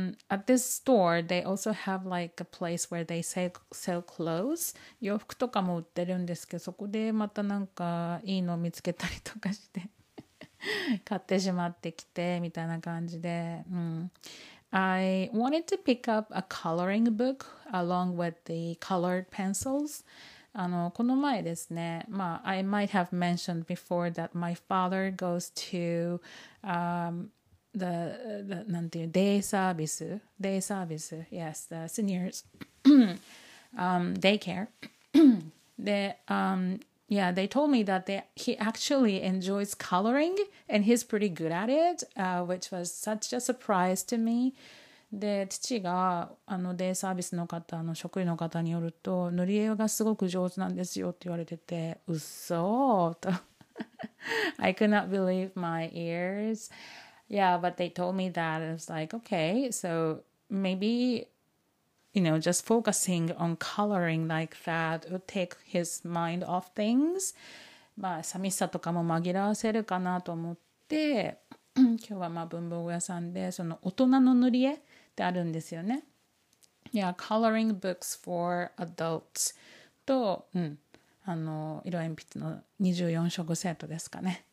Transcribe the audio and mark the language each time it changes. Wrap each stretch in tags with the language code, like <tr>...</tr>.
<en>At this store they also have like a place where they sell clothes.</en> <ja>洋服とかも売ってるんですけど、そこでまたなんかいいのを見つけたりとかして買ってしまってきてみたいな感じで、</ja> <en>I wanted to pick up a coloring book along with the colored pencils.</en> <ja>この前ですね、まあ、</ja> <en>I might have mentioned before that my father goes to the</en> <ja>なんていう、デイサービス、</ja> <en>yes, the seniors, daycare. で、yeah, they told me that he actually enjoys coloring and he's pretty good at it,which was such a surprise to me.</en> <ja>で、父があのデイサービスの方の職員の方によると、塗り絵がすごく上手なんですよって言われてて、うっそーと</ja> <en>I could not believe my ears. Yeah, but they told me that it was like, okay, so maybe, you know, just focusing on coloring like that would take his mind off things.</en> <ja>まあ寂しさとかも紛らわせるかなと思って今日はまあ文房具屋さんでその大人の塗り絵ってあるんですよね。</ja> <en>Yeah, coloring books for adults.</en> <ja>と、あの、色鉛筆の24色セットですかね。</ja>